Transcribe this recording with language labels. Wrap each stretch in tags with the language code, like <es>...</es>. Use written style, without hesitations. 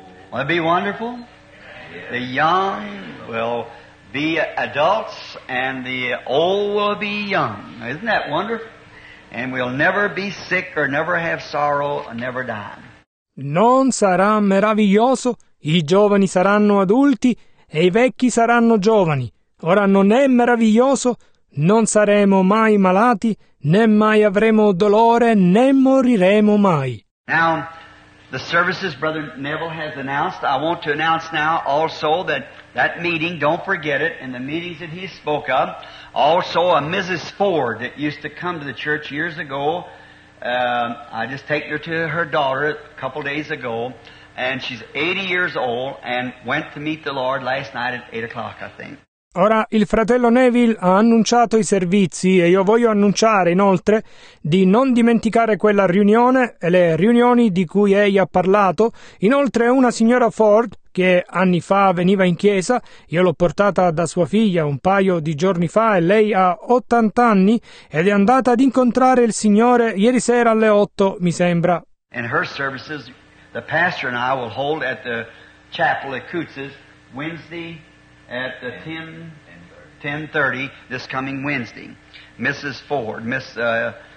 <en>Wouldn't it be wonderful? The young will be adults, and the old will be young. Isn't that wonderful? And we'll never be sick or never have sorrow or never die.</en> <it>Non sarà meraviglioso? I giovani saranno adulti e i vecchi saranno giovani. Ora non è meraviglioso? Non saremo mai malati, né mai avremo dolore, né moriremo mai.</it> <en>Now, the services Brother Neville has announced, I want to announce now also that meeting, don't forget it, and the meetings that he spoke of, also a Mrs. Ford that used to come to the church years ago, I just taken her to her daughter a couple days ago, and she's 80 years old and went to meet the Lord last night at 8 o'clock, I think.</en> <it>Ora, il fratello Neville ha annunciato i servizi e io voglio annunciare inoltre di non dimenticare quella riunione e le riunioni di cui egli ha parlato. Inoltre, una signora Ford, che anni fa veniva in chiesa. Io l'ho portata da sua figlia un paio di giorni fa e lei ha 80 anni ed è andata ad incontrare il Signore ieri sera alle 8, mi sembra.</it> <en>In her services, the pastor and I will hold at the chapel at Coutts's Wednesday at the 10:30 this coming Wednesday. Mrs. Ford, Mrs.</en>